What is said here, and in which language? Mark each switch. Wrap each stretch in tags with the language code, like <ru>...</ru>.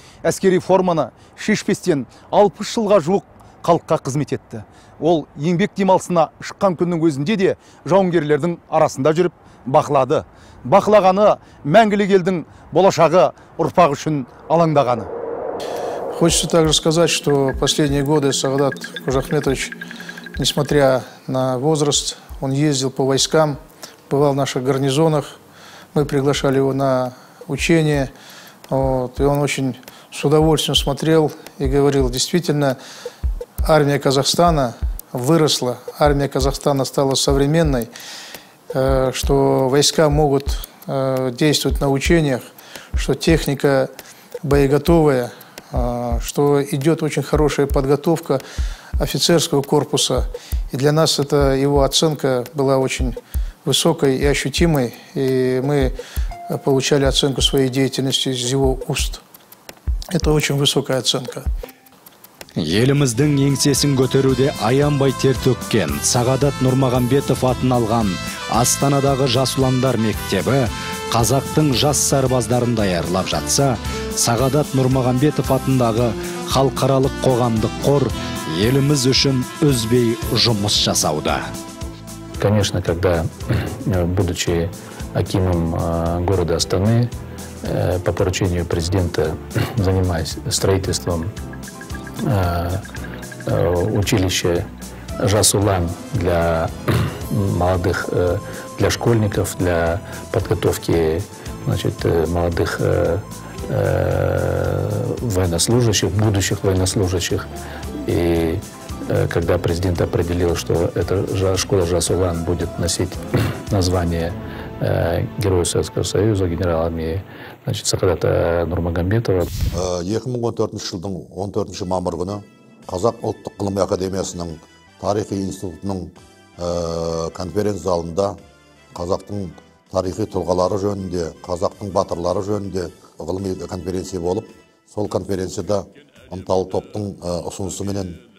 <kk>Әскери форманы шешпестен 60 жылға жуық халыққа қызмет етті. Ол еңбек демалысына шыққан күннің өзінде де жауынгерлердің арасында жүріп бақылады. Бақылағаны мәңгілік елдің болашағы ұрпағы үшін алаңдағаны.</kk> <ru>Хочется также сказать, что последние годы Сағадат Қожахметович, несмотря на возраст, он ездил по войскам, бывал в наших гарнизонах. Мы приглашали его на учения. Вот, и он очень с удовольствием смотрел и говорил, действительно, армия Казахстана выросла, армия Казахстана стала современной, что войска могут действовать на учениях, что техника боеготовая, что идет очень хорошая подготовка офицерского корпуса. И для нас эта его оценка была очень высокой и ощутимой. И мы получали оценку своей деятельности из его уст. Это очень высокая оценка.</ru> <kk>Еліміздің еңсесін көтеруде аянбай тер төккен Сағадат Нұрмағамбетов атын алған Астанадағы жасұландар мектебі қазақтың жас сарбаздарын даярлап жатса, Сағадат Нұрмағамбетов атындағы халықаралық қоғамдық қор еліміз үшін өзбей жұмыс жасауда.</kk> <ru>Конечно, когда, будучи акимом города Астаны, по поручению президента, занимаясь строительством училища Жас-Улан для молодых, для школьников, для подготовки, значит, молодых военнослужащих, будущих военнослужащих. И когда президент определил, что эта школа Жас-Улан будет носить название Героя Советского Союза, генерала армии, значит, Сағадата Нұрмағамбетова.</ru> <kk>2014 жылдың 14 мамыр күні Қазақ ұлттық ғылым академиясының тарихи институтының конференц залында Қазақтың тарихи тұлғалары жөнінде, Қазақтың батырлары жөнінде ғылыми конференция болып, сол конференцияда ынталы топтың ұсынысыменен</kk>